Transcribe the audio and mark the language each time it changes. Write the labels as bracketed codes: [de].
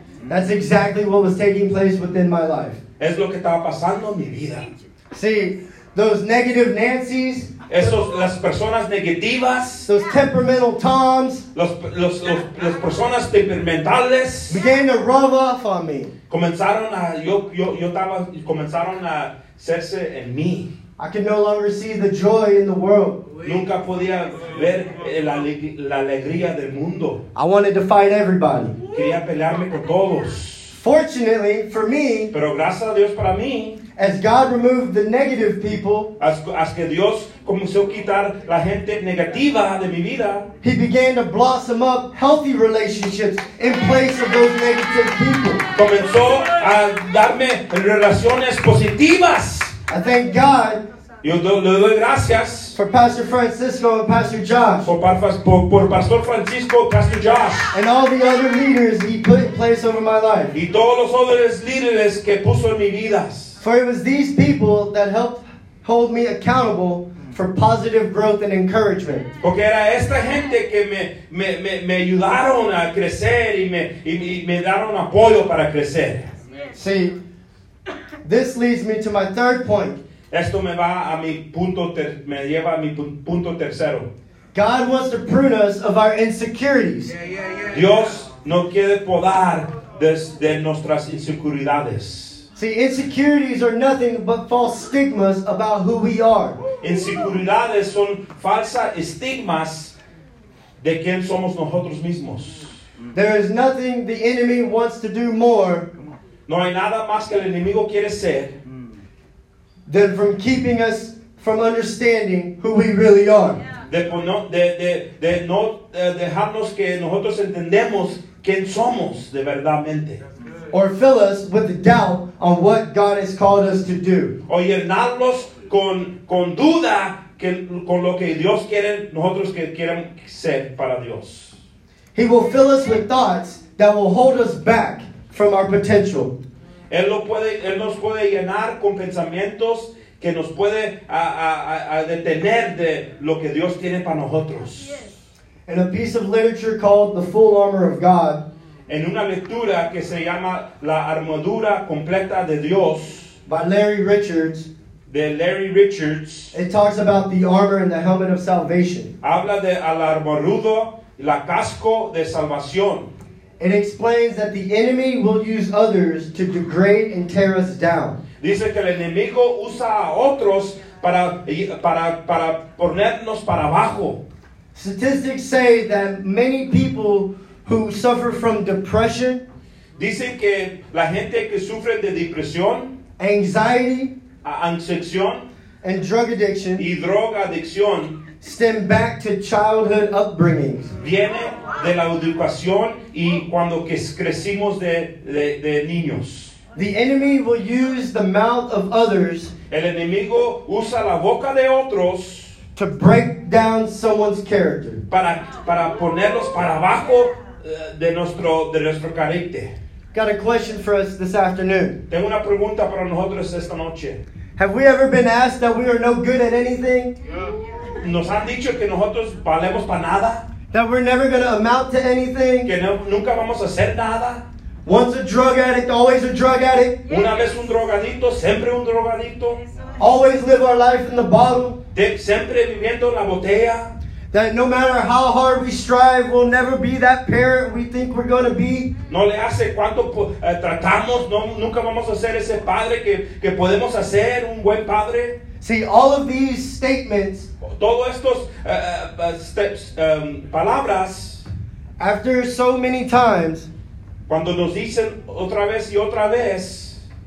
[en] That's exactly what was taking place within my life. [es] Es lo que estaba pasando en mi vida. [en] See, those negative Nancys. [es] Esos, las personas negativas. [en] Those temperamental Toms. [es] Los personas temperamentales. [en] Began to rub off on me. [es] Comenzaron a, yo estaba, comenzaron a hacerse en mí. [en] I could no longer see the joy in the world. [es] Nunca podía ver la alegría del mundo. [en] I wanted to fight everybody. [es] Quería pelearme con todos. [en] Fortunately for me, [es] pero gracias a Dios para mí, [en] as God removed the negative people, [es] as que Dios comenzó a quitar la gente negativa de mi vida, [en] He began to blossom up healthy relationships in place of those negative people. [es] Comenzó a darme relaciones positivas. [en] I thank God. [es] Yo le doy gracias [en] for Pastor Francisco and Pastor Josh. [es] Por Pastor Francisco, Pastor Josh. [en] And all the other leaders he put in place over my life. [es] Y todos los otros líderes que puso en mi vida. [en] For it was these people that helped hold me accountable for positive growth and encouragement. [es] Porque era esta gente que me ayudaron a crecer y me daron apoyo para crecer. [en] See, this leads me to my third point. [es] Esto me va a mi punto, me lleva a mi punto tercero. [en] God wants to prune us of our insecurities. Yeah, yeah, yeah. [es] Dios no quiere podar de nuestras inseguridades. [en] See, insecurities are nothing but false stigmas about who we are. [es] Inseguridades son falsas estigmas de quién somos nosotros mismos. [en] There is nothing the enemy wants to do more. [es] No hay nada más que el enemigo quiere ser. [en] Than from keeping us from understanding who we really are. [es] De no dejarnos que nosotros entendemos quién somos de verdaderamente. [en] Or fill us with doubt on what God has called us to do. [es] O llenarnos con duda que con lo que Dios quiere nosotros que quieran ser para Dios. [en] He will fill us with thoughts that will hold us back from our potential. [es] Él nos puede llenar con pensamientos que nos puede a detener de lo que Dios tiene para nosotros. [en] In a piece of literature called The Full Armor of God, [es] en una lectura que se llama La Armadura Completa de Dios, [en] by Larry Richards, [es] de Larry Richards, [en] it talks about the armor and the helmet of salvation. [es] Habla de al armadura, la casco de salvación. [en] It explains that the enemy will use others to degrade and tear us down. [es] Dice que el enemigo usa a otros para ponernos para abajo. [en] Statistics say that many people who suffer from depression, [es] dicen que la gente que sufre de depresión, [en] anxiety, [es] ansiedad, [en] and drug addiction, [es] y droga adicción, [en] stem back to childhood upbringings. [es] Viene de la educación y cuando que crecimos de niños. [en] The enemy will use the mouth of others. [es] El enemigo usa la boca de otros. [en] To break down someone's character. [es] Para ponerlos para abajo de nuestro carácter. [en] Got a question for us this afternoon. [es] Tengo una pregunta para nosotros esta noche. [en] Have we ever been asked that we are no good at anything? Yeah. [es] Nos han dicho que nosotros valemos para nada. [en] That we're never going to amount to anything. [es] Que no, nunca vamos a hacer nada. [en] Once a drug addict, always a drug addict. [es] Una vez un drogadicto, siempre un drogadicto. [en] Always live our life in the bottle. [es] Siempre viviendo la botella. [en] That no matter how hard we strive, we'll never be that parent we think we're going to be. [es] No le hace cuánto tratamos, no, nunca vamos a ser ese padre que podemos hacer, un buen padre. [en] See, all of these statements, [es] todos estos palabras, [en] after so many times, [es] cuando nos dicen otra vez y otra vez,